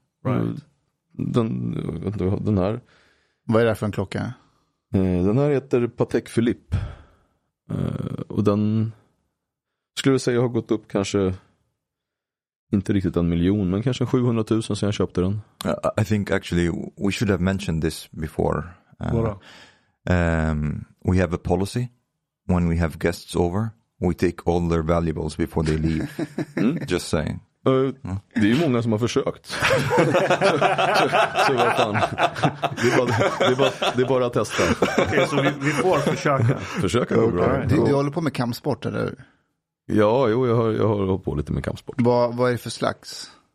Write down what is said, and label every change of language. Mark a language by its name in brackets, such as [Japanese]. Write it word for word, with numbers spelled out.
[English] Right. [Swedish] Den, den här. Vad är det för en klocka? Den här heter Patek Philippe. Och den skulle jag säga har gått upp kanske inte riktigt en miljon, men kanske sjuhundratusen sen jag köpte den. [English] Uh, I think actually we should have mentioned this before. Uh, um, we have a policy when we have guests over. We take all their valuables before they leave. Mm. Just saying. Uh, mm. [Swedish] Det är ju många som har försökt. så, så vad fan. Det är bara, det är bara, det är bara att testa. Okay, så vi, vi får försöka. Försöka går bra. Du, du håller på med kampsport, eller hur? Ja, jo, jag har, jag har hållit på lite med kampsport. Vad, vad är det för slags?